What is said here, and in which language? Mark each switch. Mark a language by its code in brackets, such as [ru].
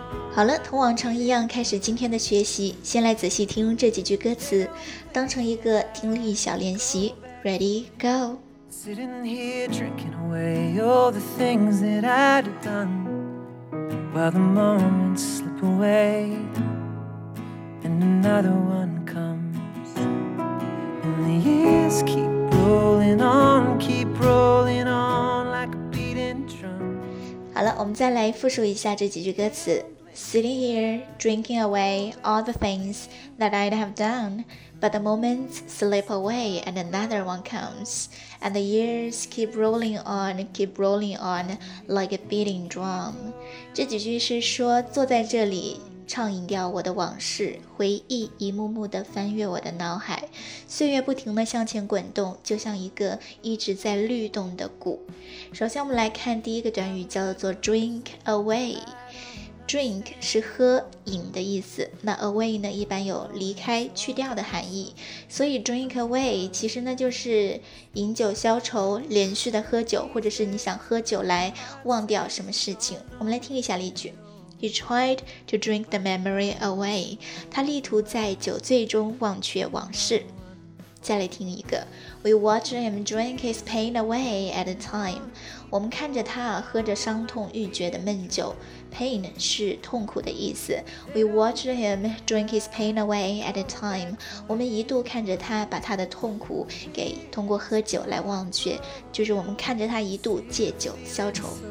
[zh] 好了，同往常一样开始今天的学习，先来仔细听这几句歌词，当成一个听力小练习。 [en] Ready, go。 Sitting here drinking away all the things that I'd done, while the moments slip away and another one comes, and the years keep rolling on, keep rolling on like a beating drum. [zh] 好了，我们再来复述一下这几句歌词。 [en] Sitting here, drinking away all the things that I'd have done, but the moments slip away and another one comes, and the years keep rolling on like a beating drum. [zh] 这几句是说坐在这里畅饮掉我的往事，回忆一幕幕地翻越我的脑海，岁月不停地向前滚动，就像一个一直在律动的鼓。首先我们来看第一个短语，叫做 drink away。 Drink 是喝饮的意思，那 away 呢一般有离开去掉的含义，所以 drink away 其实呢就是饮酒消愁，连续的喝酒，或者是你想喝酒来忘掉什么事情。我们来听一下例句。 [en] He tried to drink the memory away. [zh] 他力图在酒醉中忘却往事。再来听一个。 [en] We watched him drink his pain away at a time. [zh] 我们看着他喝着伤痛欲绝的闷酒。Pain 是痛苦的意思。 [en] We watched him drink his pain away at a time. [zh] 我们一度看着他把他的痛苦给通过喝酒来忘却，就是我们看着他一度借酒消愁。